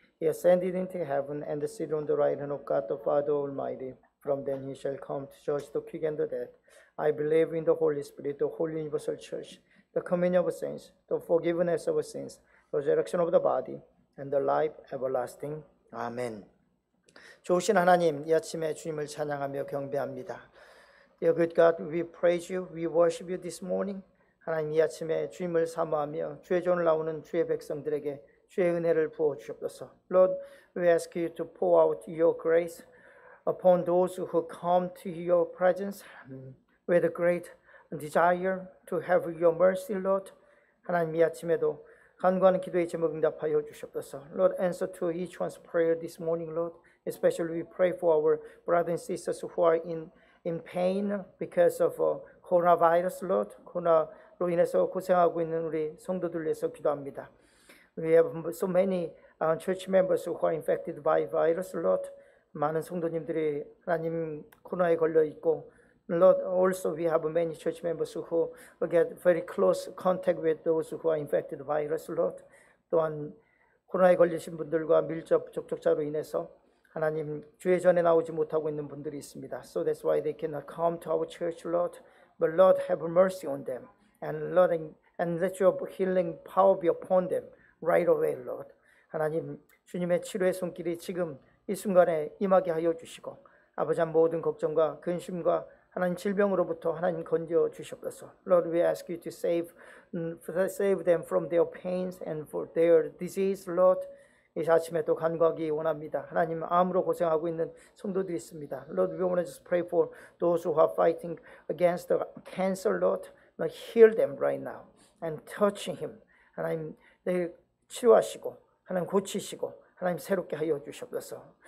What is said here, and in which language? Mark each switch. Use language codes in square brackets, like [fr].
[en] He ascended into heaven and sits on the right hand of God the Father Almighty. From then he shall come to judge the quick and the dead. I believe in the Holy Spirit, the Holy Universal Church, the communion of saints, the forgiveness of sins, the resurrection of the body, and the life everlasting. Amen. [ko] 좋으신 하나님, 이 아침에 주님을 찬양하며 경배합니다. [en] Dear good God, we praise you, we worship you this morning. [ko] 하나님, 이 아침에 주님을 사모하며 주의 전을 나오는 주의 백성들에게 주의 은혜를 부어주옵소서. [en] Lord, we ask you to pour out your grace upon those who come to your presence with a great desire to have your mercy, Lord. [ko] 하나님, 이 아침에도 간구하는 기도의 제목 응답하여 주시옵소서. [en] Lord, answer to each one's prayer this morning, Lord. Especially we pray for our brothers and sisters who are in pain because of coronavirus, Lord. [ko] 코로나로 인해서 고생하고 있는 우리 성도들 위해서 기도합니다. [en] We have so many church members who are infected by virus, Lord. [ko] 많은 성도님들이 하나님 코로나에 걸려 있고, [en] Lord, also we have many church members who get very close contact with those who are infected by virus, Lord. [ko] 또한 코로나에 걸리신 분들과 밀접 접촉자로 인해서 하나님 주의 전에 나오지 못하고 있는 분들이 있습니다. [en] So that's why they cannot come to our church, Lord. But Lord, have mercy on them. And Lord, and let your healing power be upon them right away, Lord. [ko] 하나님, 주님의 치료의 손길이 지금 이 순간에 임하게 하여 주시고 아버지의 모든 걱정과 근심과 하나님 질병으로부터 하나님 건져 주시옵소서. [en] Lord, we ask you to save them from their pains and for their disease, Lord. [ko] 이 아침에 또 간구하기 원합니다. 하나님, 암으로 고생하고 있는 성도들이 있습니다. [en] Lord, we want to just pray for those who are fighting against the cancer, Lord. Lord, heal them right now and touch him. [ko] 하나님, 내 치유하시고 하나님 고치시고 하나님 새롭게 하여 주시옵소서.